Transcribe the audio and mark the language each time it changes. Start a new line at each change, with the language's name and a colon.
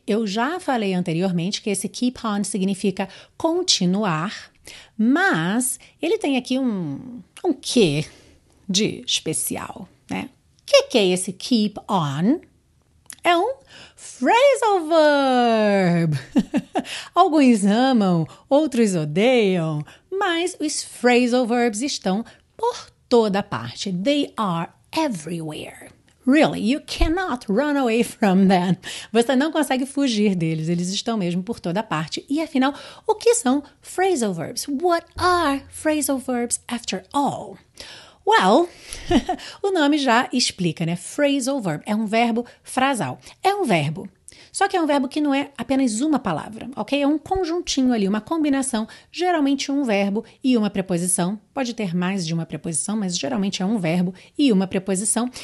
Portuguese: Eu já falei anteriormente que esse keep on significa continuar, mas ele tem aqui um quê de especial, né? Que é esse keep on? É um phrasal verb. Alguns amam, outros odeiam, mas os phrasal verbs estão por toda parte.
English: They are everywhere. Really, you cannot run away from them.
Portuguese: Você não consegue fugir deles, eles estão mesmo por toda parte. E afinal, o que são phrasal verbs?
English: What are phrasal verbs after all?
Portuguese: Well, o nome já explica, né? Phrasal verb é um verbo frasal. É um verbo, só que é um verbo que não é apenas uma palavra, ok? É um conjuntinho ali, uma combinação, geralmente um verbo e uma preposição. Pode ter mais de uma preposição, mas geralmente é um verbo e uma preposição.